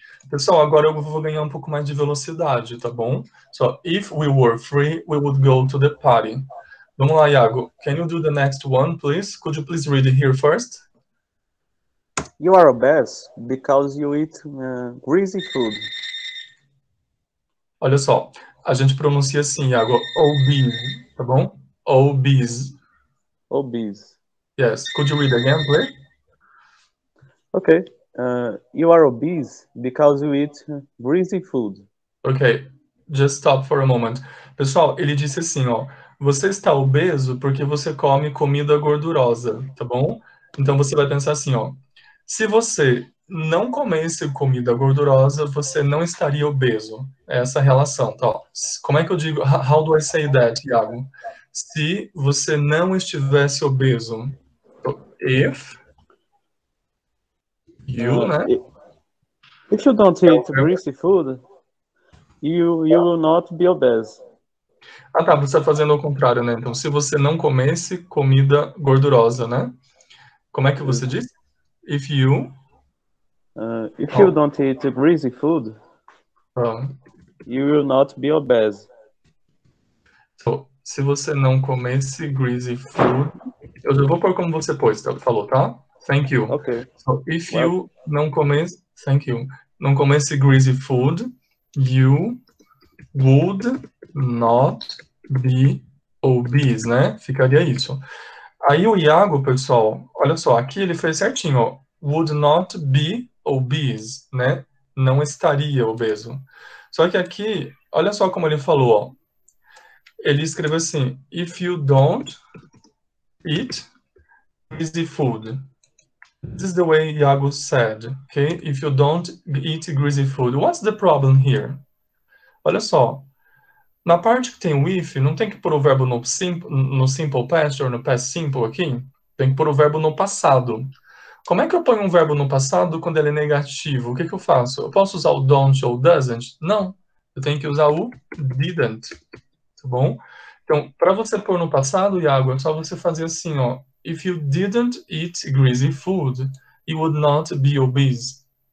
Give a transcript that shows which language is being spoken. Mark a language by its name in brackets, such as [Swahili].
[Portuguese] Pessoal, agora eu vou ganhar um pouco mais de velocidade, tá bom? [English] So, if we were free, we would go to the party. [Portuguese] Vamos lá, [English] Iago. Can you do the next one, please? Could you please read it here first? You are obese because you eat greasy food. [Portuguese] Olha só, a gente pronuncia assim, Iago, obese, tá bom? Obese. [English] Obese. Yes, could you read again, please? Okay. You are obese because you eat greasy food. Okay, just stop for a moment. [Portuguese] Pessoal, ele disse assim, ó, você está obeso porque você come comida gordurosa, tá bom? Então você vai pensar assim, ó, se você não comesse comida gordurosa, você não estaria obeso. Essa relação, tá? Como é que eu digo? [English] How do I say that, [Portuguese] Iago? Se você não estivesse obeso, [English] if you, [Portuguese] né? [English] If you don't eat greasy food, you will not be obese. [Portuguese] Ah, tá, você está fazendo ao contrário, né? Então, se você não comesse comida gordurosa, né? Como é que você Isso. [English] diz? If you. If you don't eat greasy food, you will not be obese. [Portuguese] So, se você não comesse [English] greasy food. [Portuguese] Eu já vou pôr como você pôs, falou, tá? [English] Thank you. Okay. So, if Well. you [Portuguese] não comesse. [English] Thank you. [Portuguese] Não comesse [English] greasy food, you would not be obese, né? [Portuguese] Ficaria isso. Aí o Iago, pessoal, olha só, aqui ele fez certinho, ó. [English] Would not be obese, né? [Portuguese] Não estaria obeso. Só que aqui, olha só como ele falou, ó. Ele escreveu assim: [English] If you don't eat greasy food. This is the way Iago said, okay? If you don't eat greasy food, what's the problem here? [Portuguese] Olha só. Na parte que tem o if, não tem que pôr o verbo no simple past ou no past simple aqui? Tem que pôr o verbo no passado. Como é que eu ponho um verbo no passado quando ele é negativo? O que que eu faço? Eu posso usar o don't ou doesn't? Não. Eu tenho que usar o didn't. Tá bom? Então, para você pôr no passado, Iago, é só você fazer assim, ó. [English] If you didn't eat greasy food, you would not be obese.